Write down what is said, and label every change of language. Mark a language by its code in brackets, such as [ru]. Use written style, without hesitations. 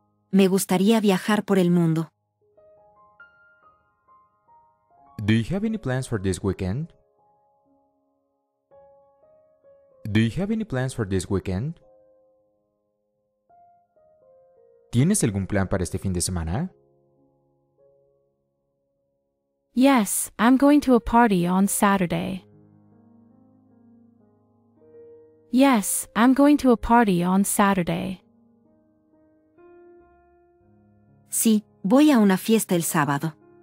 [es] Me gustaría viajar por el mundo. [en] Do you have any plans for this weekend? Do you have any plans for this weekend? [es] ¿Tienes algún plan para este fin de semana? [en] Yes, I'm going to a party on Saturday. Yes, I'm going to a party on Saturday. [es] Sí, voy a una fiesta el sábado.